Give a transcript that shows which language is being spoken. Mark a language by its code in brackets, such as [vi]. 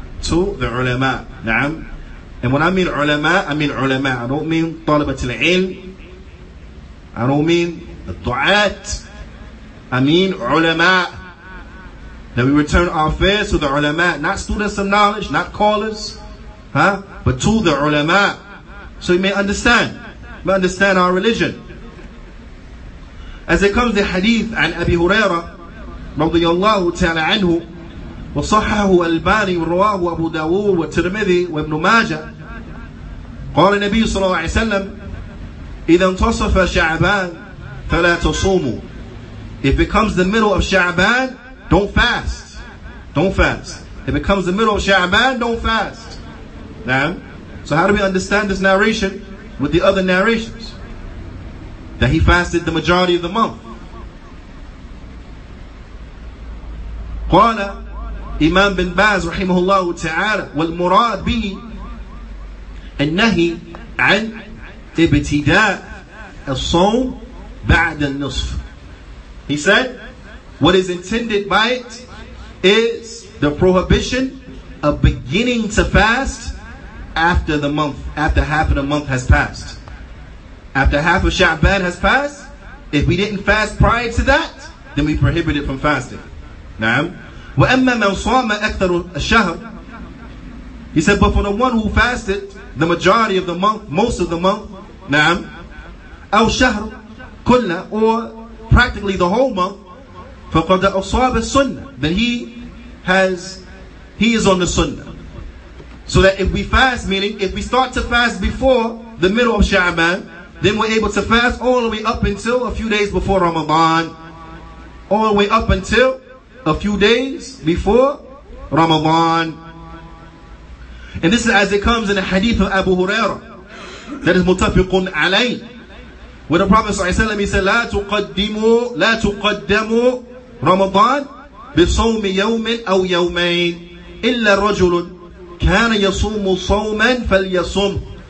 [en] To the ulama. Naam. And when I mean ulama, I don't mean talibat al-ilm, I don't mean du'at, I mean ulama. That we return our affairs to the ulama, not students of knowledge, not callers, but to the ulama. So you may understand, our religion. As it comes the hadith [ar] عن أبي هريرة رضي الله تعالى عنه وصححه الباني ورواه أبو داود والترمذي وابن ماجه قال النبي صلى الله عليه وسلم إذا انتصف شعبان فلا تصوموا. [en] If it comes the middle of Sha'ban, don't fast. If it comes the middle of Sha'ban, don't fast. Now, so how do we understand this narration with the other narrations that he fasted the majority of the month? [ar] قال إمام بن باز رحمه الله تعالى والمراد به النهي عن ابتداء الصوم بعد النصف. [en] He said, what is intended by it is the prohibition of beginning to fast after the month, after half of the month has passed. After half of Sha'ban has passed, if we didn't fast prior to that, then we prohibit it from fasting. [ar] نعم. وَأَمَّا مَنْ صَامَ أَكْثَرُ الشَّهْرِ. [en] He said, but for the one who fasted the majority of the month, most of the month, نعم, [ar] أو شهر كلنا, [en] or practically the whole month, [ar] فقد أصاب السنة, [en] then he is on the sunnah. So that if we fast, meaning if we start to fast before the middle of Sha'ban, then we're able to fast all the way up until a few days before Ramadan. All the way up until a few days before Ramadan. And this is as it comes in the hadith of Abu Hurairah. That is mutafiqun alayh. Where the Prophet ﷺ, he said, [ar] لا تقدموا رمضان بصوم يوم أو يومين إلا رجل كان يصوم صوما فليصوم.